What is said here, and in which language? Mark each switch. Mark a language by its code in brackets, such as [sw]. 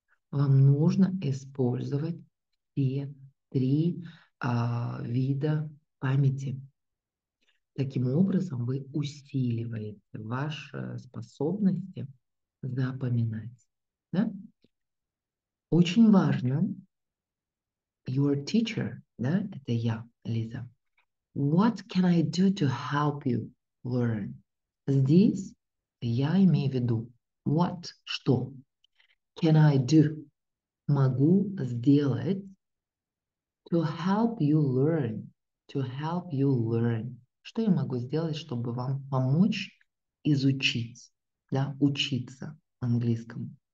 [ru] Вам нужно использовать все три вида памяти. Таким образом, вы усиливаете ваши способности запоминать. Да? Очень важно, [en] your teacher, [ru] да, это я, Лиза. [en] What can I do to help you learn? [ru] Здесь я имею в виду what, что. [en] Can I do? [ru] Могу сделать. [en] To help you learn. To help you learn. [ru] Что я могу сделать, чтобы вам помочь изучить, да, учиться английскому?